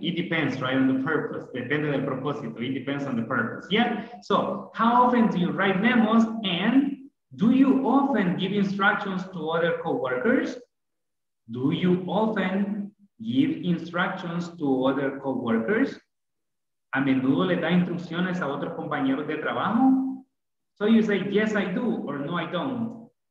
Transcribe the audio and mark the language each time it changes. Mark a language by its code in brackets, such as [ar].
[en] It depends, right, on the purpose. [es] Depende del propósito. [en] It depends on the purpose. Yeah? So, how often do you write memos? And do you often give instructions to other coworkers? Do you often give instructions to other coworkers? [es] ¿A menudo le da instrucciones a otros compañeros de trabajo? [en] So you say, yes, I do, or no, I don't.